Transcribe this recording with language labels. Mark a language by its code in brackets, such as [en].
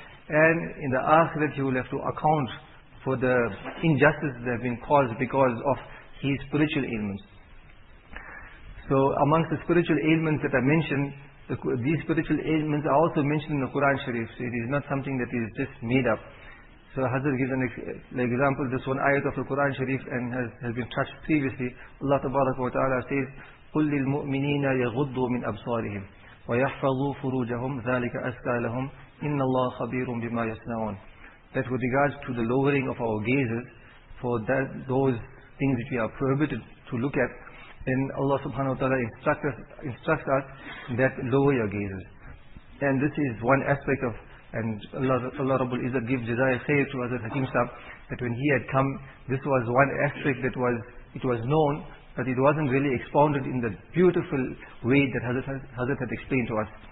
[en] And in the akhirat, he will have to account for the injustices that have been caused because of his spiritual ailments. So amongst the spiritual ailments that are mentioned, these spiritual ailments are also mentioned in the Quran Sharif. So it is not something that is just made up. So Hazrat gives an example, this one ayat of the Quran Sharif and has been touched previously. [ar] Allah Tabaraka wa Ta'ala says, قُلْ لِلْمُؤْمِنِينَ يَغُضُّوا مِنْ أَبْصَارِهِمْ وَيَحْفَظُوا فُرُوجَهُمْ ذَلِكَ أَزْكَى لَهُمْ إِنَّ اللَّهَ خَبِيرٌ بِمَا يَصْنَعُونَ. [en] That with regards to the lowering of our gazes, for that, those things which we are prohibited to look at, then Allah subhanahu wa ta'ala instructs us that lower your gazes. And this is one aspect of, and Allah Rabbul Izzah gives jazayah khair to Hazrat Hakim Sahib, that when he had come, this was one aspect that was, it was known, but it wasn't really expounded in the beautiful way that Hazrat had explained to us.